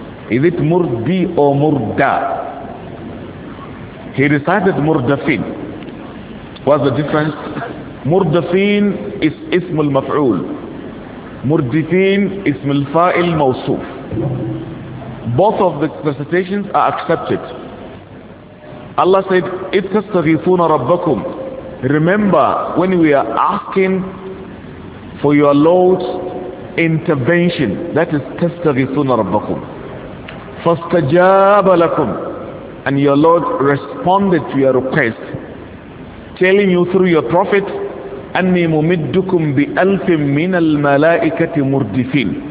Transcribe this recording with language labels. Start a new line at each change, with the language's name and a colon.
English: Is it murdi or murda? He recited murdafin. What's the difference? Murdafin is ism al-maf'ul. Murdifin is ism al-fa'il mawsuf. Both of the recitations are accepted. Allah said,
Arabic: إِذْ تَسْتَغِيثُونَ رَبَّكُمْ.
English: Remember, when we are asking for your Lord's intervention, that is
Arabic: تَسْتَغِيثُونَ رَبَّكُمْ. فَاسْتَجَابَ لَكُمْ.
English: And your Lord responded to your request, telling you through your prophet,
Arabic: أَنِّي مُمِدُّكُمْ بِأَلْفٍ مِّنَ الْمَلَائِكَةِ مُرْدِفِينَ.